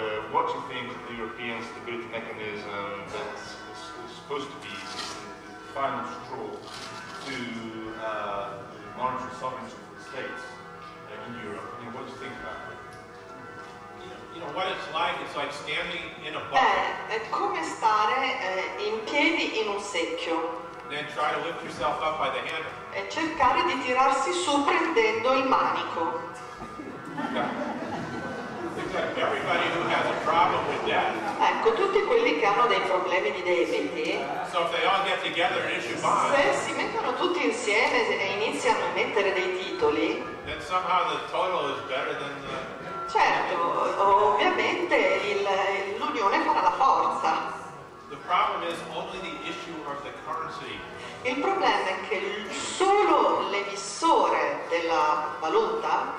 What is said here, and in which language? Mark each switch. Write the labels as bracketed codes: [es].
[en] What you think of the European stability mechanism that's supposed to be the final straw to the monetary sovereignty of the states in Europe? You know, what do you think about it? You know what it's like standing in a bucket. [it] È come stare in piedi in un secchio. [en] Then try to lift yourself up by the handle. [it] E cercare di tirarsi su prendendo il manico. [en] Yeah. Everybody who has a problem with debt. [it] Ecco, tutti quelli che hanno dei problemi di debiti. [en] So if they all get together and issue bonds. [it] Se si mettono tutti insieme e iniziano a mettere dei titoli. [en] Then somehow the total is better than the. [it] Certo, ovviamente l'unione farà la forza. [en] The problem is only the issue of the currency. [it] Il problema è che solo l'emissore della valuta